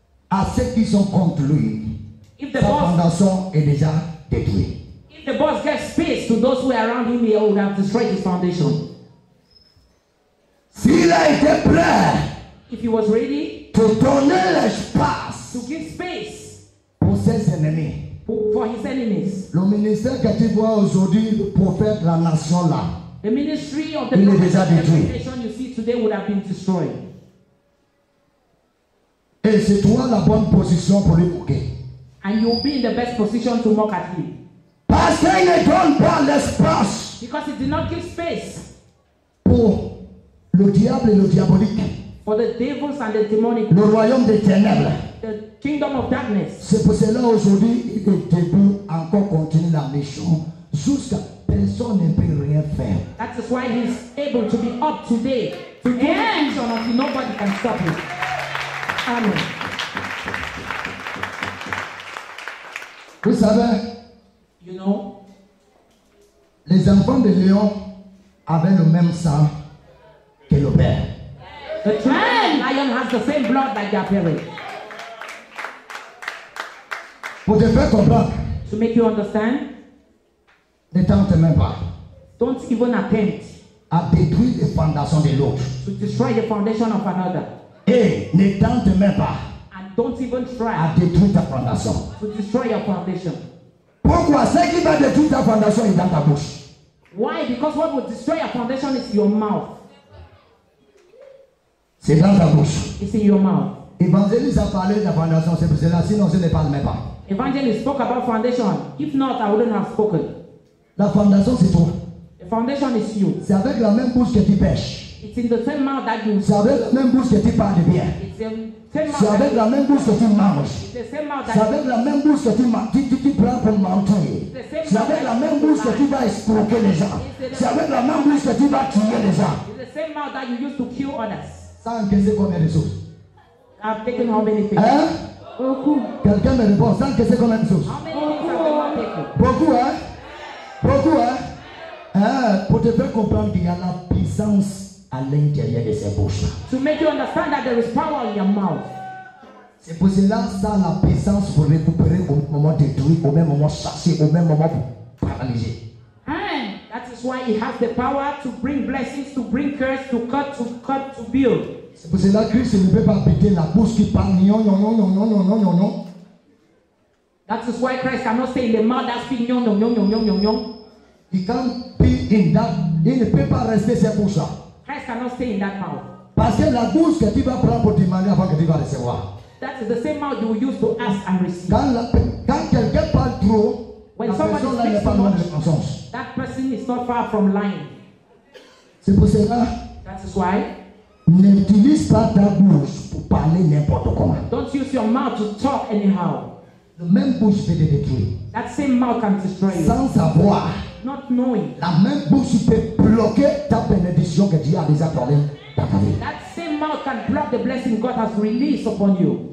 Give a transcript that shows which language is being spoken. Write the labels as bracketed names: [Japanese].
[French] À ceux qui sont contre lui, sa fondation est déjà détruite. [English] If the boss gets space to those who are around him, he would have destroyed his foundation. [French] S'il a été prêt, [English] if he was ready, [French] to donner l'espace, [English] to give space, [French] pour ses ennemis, [English] for his enemies. [French] Le ministère que tu vois aujourd'hui, le prophète, la nation là, [English] the ministry of the [French] il est déjà détruit. [English] The foundation you see today would have been destroyed. [French] Et c'est toi la bonne position pour lui moquer. [English] And you'll be in the best position to mock at him. [French] Parce qu'il ne donne pas l'espace. [English] Because he did not give space. [French] Pour le diable et le diabolique. [English] For the devils and the demonic. [French] Le royaume des ténèbres. [English] The kingdom of darkness. [French] C'est pour cela aujourd'hui il est debout encore continuer la mission jusqu'à personne ne peut rien faire. [English] That is why he's able to be up today to do the mission until nobody can stop him. [French] Amen. Vous savez, [English] you know, [French] les enfants de lion avaient le même sang que le père. [English] The lion has the same blood like their parents. [French] Pour te faire comprendre, [English] to make you understand, [French] ne tente même pas. [English] Don't even attempt [French] à détruire les fondations de l'autre. [English] To destroy the foundation of another. [French] Et ne tente même pas. [English] And don't even try. [French] À détruire ta fondation. [English] To destroy your foundation. [French] Pourquoi ce qui va détruire ta fondation est dans ta bouche? [English] Why? Because what will destroy your foundation is your mouth. [French] C'est dans ta bouche. [English] It's in your mouth. [French] Évangéliste a parlé de la fondation, c'est pour cela, sinon je ne parle même pas. [English] Evangelist spoke about foundation. If not, I wouldn't have spoken. [French] La fondation, c'est toi. [English] The foundation is you. [French] C'est avec la même bouche que tu pêches. [English] It's in the same mouth that you. [French] C'est avec la même bouche que tu parles bien. [English] It's the same mouth. [French] C'est avec la même bouche que tu manges. [English] It's the same mouth that. [French] C'est avec la même bouche que tu prends pour mentir. C'est avec la même bouche que tu vas escroquer les gens. C'est avec la même bouche que tu vas tuer les gens. [English] It's the same mouth that you use to kill others. [French] Ça a encaissé combien de choses? [English] I've taken how many things? [French] Hein? Beaucoup. Quelqu'un me répond, ça a encaissé combien de choses? Beaucoup, hein? Beaucoup, hein? Pour te faire comprendre qu'il y a la puissance à l'intérieur de ces bouches. [English] To make you understand that there is power in your mouth. [French] C'est pour cela que ça a la puissance pour récupérer au même moment détruit, au même moment chassé, au même moment paralysé. [English] That is why it has the power to bring blessings, to bring curse, to cut, to build. [French] C'est pour cela que Christ ne peut pas habiter la bouche qui parle non. [English] That is why Christ cannot stay in the mouth that speaks non. He can't be in that. [French] Il ne peut pas rester cette bouche-là. [English] Christ cannot stay in that mouth. [French] Parce que la bouche que tu vas prendre pour demander avant que tu vas recevoir. [English] That is the same mouth you will use to ask and receive. [French] Quand quelqu'un parle trop. [English] When somebody speaks too much, that person is not far from lying. [French] C'est pour cela. [English] That is why. [French] N'utilise pas ta bouche pour parler n'importe comment. [English] Don't use your mouth to talk anyhow. [French] La même bouche peut te détruire. [English] That same mouth can destroy you. [French] Sans savoir. [English] Not knowing. [French] La même bouche peut bloquer ta bénédiction que Dieu a déjà parlé dans ta vie. [English] That same mouth can block the blessing God has released upon you.